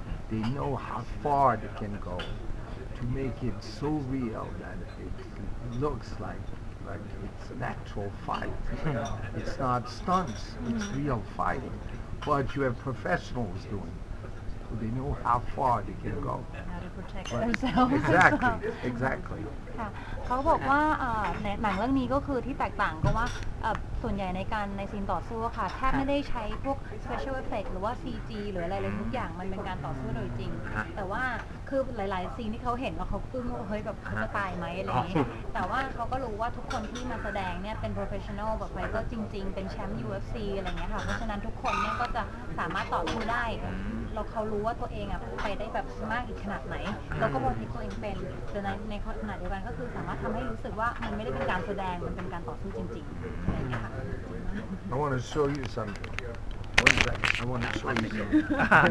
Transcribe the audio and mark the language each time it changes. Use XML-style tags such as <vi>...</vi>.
<en>They know how far they can go to make it so real that it looks like it's an actual fight. It's not stunts, it's real fighting. But you have professionals doing it. So they know how far they can go. Protect themselves. Exactly.</en> <th>เขาบอกว่าในหนังเรื่องนี้ก็คือที่แตกต่างก็ว่าส่วนใหญ่ในการในซีนต่อสู้ค่ะแทบไม่ได้ใช้พวก special effect หรือว่า CG หรืออะไรเลยทุกอย่างมันเป็นการต่อสู้โดยจริงแต่ว่าคือหลายๆซีนที่เขาเห็นว่าเขาอึ้งเฮ้ยแบบเขาจะตายไหมอะไรอย่างเงี้ยแต่ว่าเขาก็รู้ว่าทุกคนที่มาแสดงเนี่ยเป็น professional แบบไฟเตอร์จริงๆเป็นแชมป์ UFC อะไรเงี้ยค่ะเพราะฉะนั้นทุกคนเนี่ยก็จะสามารถต่อสู้ได้ เราเขารู้ว่าตัวเองอ่ะไปได้แบบมากอีกขนาดไหนแล้วก็บอกที่ตัวเองเป็นแต่ในขณะเดียวกันก็คือสามารถทำให้รู้สึกว่ามันไม่ได้เป็นการแสดงมันเป็นการต่อสู้จริงๆอะไรอย่างเง</th> <en>I want to show you something One second I want to show you something</en>